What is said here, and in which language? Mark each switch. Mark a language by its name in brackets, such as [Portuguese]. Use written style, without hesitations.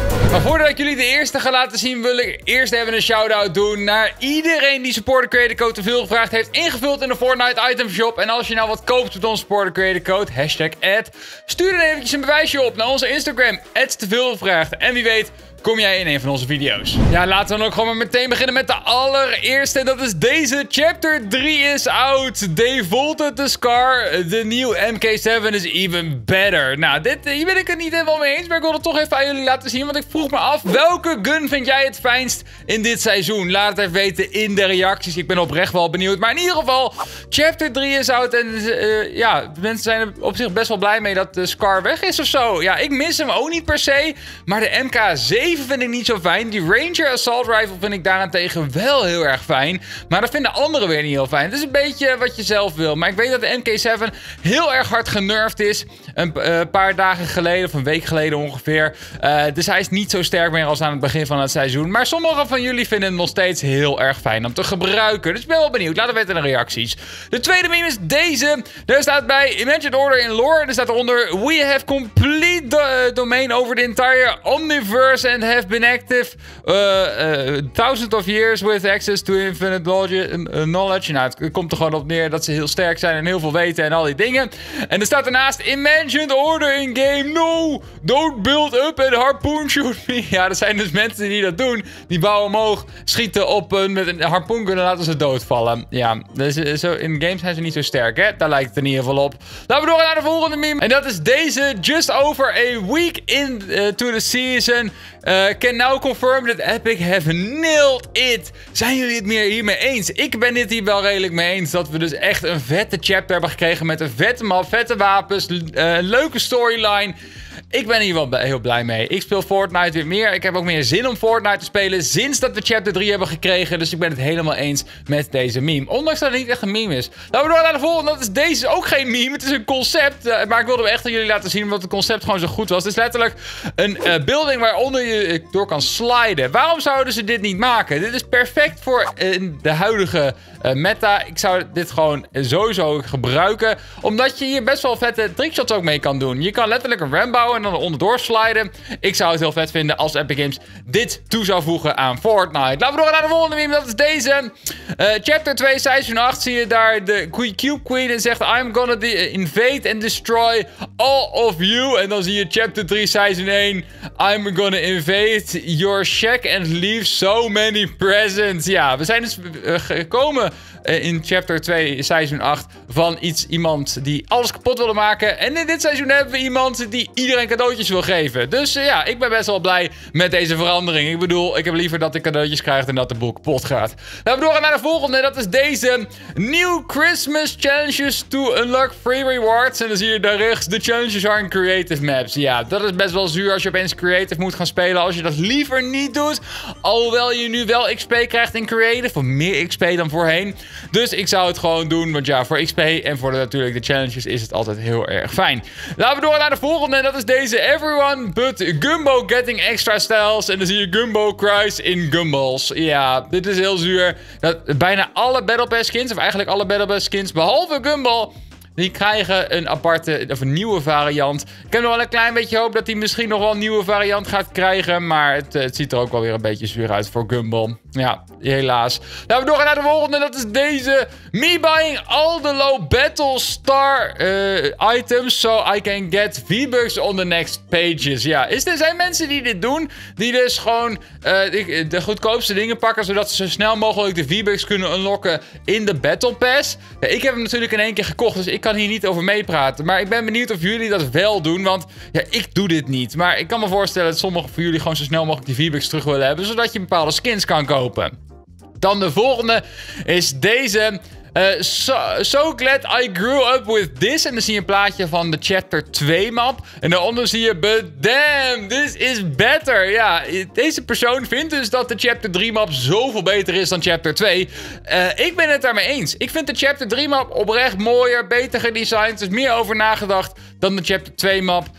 [Dutch] Maar voordat ik jullie de eerste ga laten zien, wil ik eerst even een shout-out doen naar iedereen die Supporter Creator Code te veel gevraagd heeft, ingevuld in de Fortnite Item Shop. En als je nou wat koopt met onze Supporter Creator Code, hashtag ad, stuur dan eventjes een bewijsje op naar onze Instagram, @teveelgevraagd. En wie weet, kom jij in een van onze video's. Ja, laten we dan ook gewoon maar meteen beginnen met de allereerste. En dat is deze. [English] Chapter 3 is out. Devolted the Scar. De nieuwe MK7 is even better. [Dutch] Nou, hier ben ik het niet helemaal mee eens. Maar ik wil het toch even aan jullie laten zien. Want ik vroeg me af, welke gun vind jij het fijnst in dit seizoen? Laat het even weten in de reacties. Ik ben oprecht wel benieuwd. Maar in ieder geval, [English] Chapter 3 is out. [Dutch] En mensen zijn er op zich best wel blij mee dat de Scar weg is of zo. Ja, ik mis hem ook niet per se. Maar de MK7. Even vind ik niet zo fijn. Die Ranger Assault Rifle vind ik daarentegen wel heel erg fijn. Maar dat vinden anderen weer niet heel fijn. Het is een beetje wat je zelf wil. Maar ik weet dat de MK7 heel erg hard genervd is. Een paar dagen geleden of een week geleden ongeveer. Dus hij is niet zo sterk meer als aan het begin van het seizoen. Maar sommigen van jullie vinden hem nog steeds heel erg fijn om te gebruiken. Dus ik ben wel benieuwd. Laat het weten in de reacties. De tweede meme is deze. Daar staat bij Imagine Order in Lore. Er staat eronder [English] We have complete the domain over the entire omniverse. And have been active thousands of years with access to infinite knowledge. [Dutch] Nou, het komt er gewoon op neer dat ze heel sterk zijn en heel veel weten en al die dingen. En er staat daarnaast Imagined Order in game. [English] No, don't build up and harpoon shoot me. [Dutch] Ja, er zijn dus mensen die dat doen. Die bouwen omhoog, schieten op een met een harpoen kunnen laten ze doodvallen. Ja, dus, in games zijn ze niet zo sterk, hè? Daar lijkt het in ieder geval op. Laten we doorgaan naar de volgende meme. En dat is deze. [English] Just over a week into the season. Can now confirm that Epic have nailed it. [Dutch] Zijn jullie het meer hiermee eens? Ik ben dit hier wel redelijk mee eens. Dat we dus echt een vette chapter hebben gekregen. Met een vette map, vette wapens. Leuke storyline. Ik ben hier wel heel blij mee. Ik speel Fortnite weer meer. Ik heb ook meer zin om Fortnite te spelen. Sinds dat we chapter 3 hebben gekregen. Dus ik ben het helemaal eens met deze meme. Ondanks dat het niet echt een meme is. Laten we door naar de volgende. Dat is deze. Ook geen meme. Het is een concept. Maar ik wilde echt aan jullie laten zien. Omdat het concept gewoon zo goed was. Het is letterlijk een building waaronder je door kan sliden. Waarom zouden ze dit niet maken? Dit is perfect voor de huidige meta. Ik zou dit gewoon sowieso gebruiken. Omdat je hier best wel vette trickshots ook mee kan doen. Je kan letterlijk een ramp bouwen. En dan onderdoor sliden. Ik zou het heel vet vinden als Epic Games dit toe zou voegen aan Fortnite. Laten we door naar de volgende meme. Dat is deze. Chapter 2, seizoen 8. Zie je daar de Cube Queen. En zegt, [English] I'm gonna invade and destroy all of you. [Dutch] En dan zie je chapter 3, seizoen 1. [English] I'm gonna invade your shack and leave so many presents. [Dutch] Ja, we zijn dus gekomen in chapter 2, seizoen 8. Van iemand die alles kapot wilde maken. En in dit seizoen hebben we iemand die iedereen cadeautjes wil geven. Dus ik ben best wel blij met deze verandering. Ik bedoel, ik heb liever dat ik cadeautjes krijg dan dat de boel kapot gaat. Laten we doorgaan naar de volgende. Dat is deze. [English] New Christmas challenges to unlock free rewards. [Dutch] En dan zie je daar rechts. [English] The challenges are in creative maps. [Dutch] Ja, dat is best wel zuur als je opeens creative moet gaan spelen. Als je dat liever niet doet. Alhoewel je nu wel XP krijgt in creative. Of meer XP dan voorheen. Dus ik zou het gewoon doen. Want ja, voor XP en voor natuurlijk de challenges is het altijd heel erg fijn. Laten we door naar de volgende. En dat is deze. [English] Everyone but Gumbo getting extra styles. [Dutch] En dan zie je [English] Gumbo cries in Gumballs. [Dutch] Ja, dit is heel zuur. Dat bijna alle Battle Pass skins, of eigenlijk alle Battle Pass skins, behalve Gumball, die krijgen een aparte, of een nieuwe variant. Ik heb nog wel een klein beetje hoop dat hij misschien nog wel een nieuwe variant gaat krijgen. Maar het ziet er ook wel weer een beetje zuur uit voor Gumball. Ja, helaas. Laten we doorgaan naar de volgende. Dat is deze. [English] Me buying all the low battle star items. So I can get V-Bucks on the next pages. [Dutch] Ja, zijn mensen die dit doen. Die dus gewoon de goedkoopste dingen pakken. Zodat ze zo snel mogelijk de V-Bucks kunnen unlocken in de battle pass. Ja, ik heb hem natuurlijk in één keer gekocht. Dus ik kan hier niet over meepraten. Maar ik ben benieuwd of jullie dat wel doen. Want ja, ik doe dit niet. Maar ik kan me voorstellen dat sommigen van jullie gewoon zo snel mogelijk die V-Bucks terug willen hebben. Zodat je bepaalde skins kan kopen. Dan de volgende is deze. [English] So glad I grew up with this. [Dutch] En dan zie je een plaatje van de chapter 2 map. En daaronder zie je, [English] but damn, this is better. [Dutch] Ja, deze persoon vindt dus dat de chapter 3 map zoveel beter is dan chapter 2. Ik ben het daarmee eens. Ik vind de chapter 3 map oprecht mooier, beter gedesigned. Dus meer over nagedacht dan de chapter 2 map.